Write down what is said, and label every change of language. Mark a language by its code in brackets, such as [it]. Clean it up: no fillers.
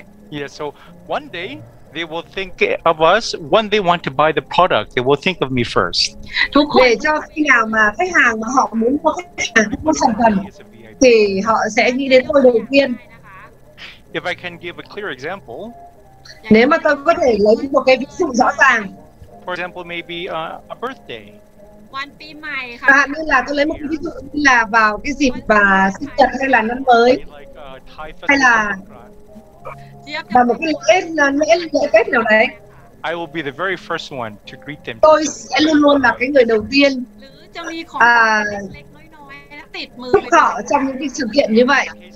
[en] Yeah, so one day they will think of us when they want to buy the product. They will think of me first. [vi] Để cho khi nào mà khách hàng mà họ muốn mua sản phẩm thì họ sẽ nghĩ đến tôi đầu tiên. [en] If I can give a clear example. [vi] Nếu mà tôi có thể lấy một cái ví dụ rõ ràng. [en] For example, maybe a birthday. [vi] Chẳng hạn như là tôi lấy một ví dụ như là vào cái dịp và sinh nhật hay là năm mới, hay là vào một cái lễ Tết nào đấy. [en] I will be the very first one to greet them. [vi] Tôi sẽ luôn luôn là cái người đầu tiên giúp họ trong những cái sự kiện như vậy.